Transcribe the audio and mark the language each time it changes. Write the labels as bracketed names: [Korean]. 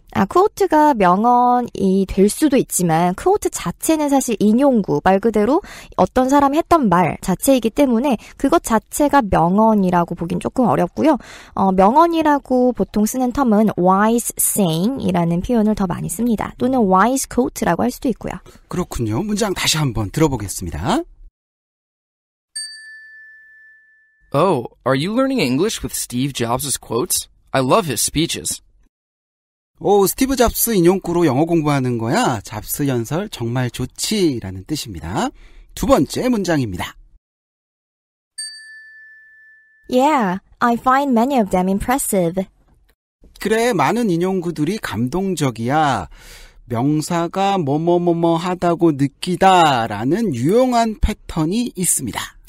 [Korean] 아, 쿼트가 명언이 될 수도 있지만 쿼트 자체는 사실 인용구, 말 그대로 어떤 사람이 했던 말 자체이기 때문에 그것 자체가 명언이라고 보긴 조금 어렵고요. 명언이라고 보통 쓰는 텀은 wise saying이라는 표현을 더 많이 씁니다. 또는 wise quote라고 할 수도 있고요. 그렇군요. 문장 다시 한번 들어보겠습니다. [English] Oh, are you learning English with Steve Jobs' quotes? I love his speeches. [Korean] 오, 스티브 잡스 인용구로 영어 공부하는 거야. 잡스 연설 정말 좋지 라는 뜻입니다. 두 번째 문장입니다. [English] Yeah, I find many of them impressive. [Korean] 그래, 많은 인용구들이 감동적이야. 명사가 뭐뭐뭐뭐 하다고 느끼다 라는 유용한 패턴이 있습니다.